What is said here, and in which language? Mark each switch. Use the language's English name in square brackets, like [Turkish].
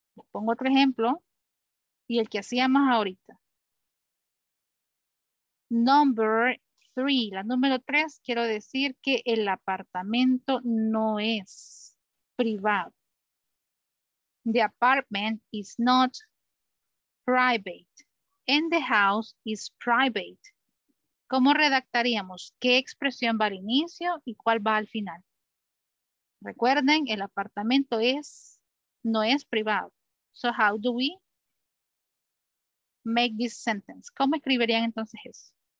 [Spanish] Pongo otro ejemplo, y el que hacíamos ahorita. [English] Number 3, [Spanish] la número 3, quiero decir que el apartamento no es privado. [English] The apartment is not private, and the house is private. [Spanish] ¿Cómo redactaríamos? ¿Qué expresión va al inicio y cuál va al final? Recuerden, el apartamento no es privado. [English] So how do we make this sentence? [Spanish] ¿Cómo escribirían entonces eso?